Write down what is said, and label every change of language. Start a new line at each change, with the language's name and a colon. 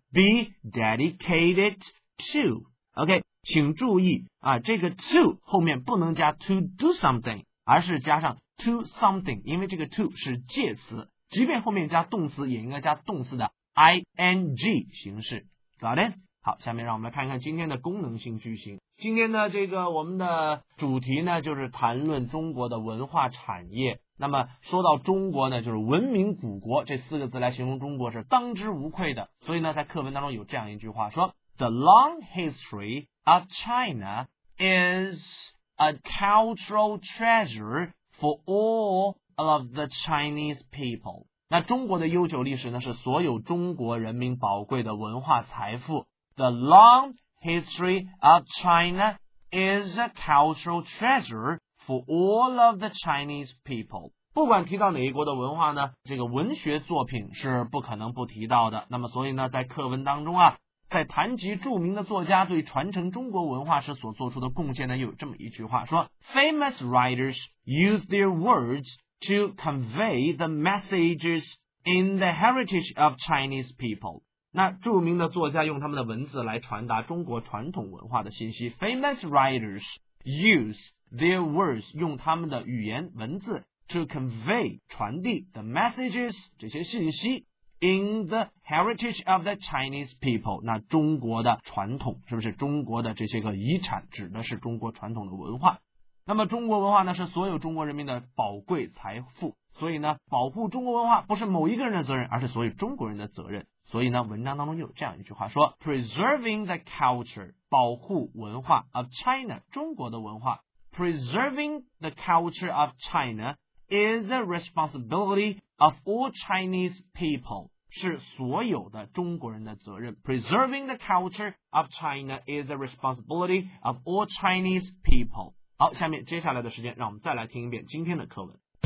English: be dedicated to， OK，
Chinese: 请注意啊，这个 to 后面不能加
English: to do something，
Chinese: 而是加上
English: to something，
Chinese: 因为这个 to 是介词，即便后面加动词也应该加动词的 ing 形式，
English: got it？
Chinese: 好，下面让我们来看看今天的功能性句型。今天呢，这个我们的主题呢，就是谈论中国的文化产业。那么说到中国呢，就是文明古国这四个字来形容中国是当之无愧的。所以呢，在课文当中有这样一句话说
English: The long history of China is a cultural treasure for all of the Chinese people.
Chinese: 那中国的悠久历史呢，是所有中国人民宝贵的文化财富。
English: The long history of China is a cultural treasure for all of the Chinese people.
Chinese: 不管提到哪一国的文化呢，这个文学作品是不可能不提到的。那么所以呢，在课文当中啊，在谈及著名的作家对传承中国文化时所做出的贡献呢，有这么一句话说
English: Famous writers use their words to convey the messages in the heritage of Chinese people.
Chinese: 那著名的作家用他们的文字来传达中国传统文化的信息。
English: Famous writers use their words,
Chinese: 用他们的语言文字
English: to convey,
Chinese: 传递
English: the messages,
Chinese: 这些信息
English: in the heritage of the Chinese people,
Chinese: 那中国的传统，是不是中国的这些个遗产指的是中国传统的文化。那么中国文化呢，是所有中国人民的宝贵财富，所以呢，保护中国文化不是某一个人的责任，而是所有中国人的责任。所以呢，文章当中有这样一句话说
English: Preserving the culture,
Chinese: 保护文化
English: of China,
Chinese: 中国的文化
English: Preserving the culture of China is a responsibility of all Chinese people,
Chinese: 是所有的中国人的责任
English: Preserving the culture of China is a responsibility of all Chinese people。
Chinese: 好，下面接下来的时间让我们再来听一遍今天的课文。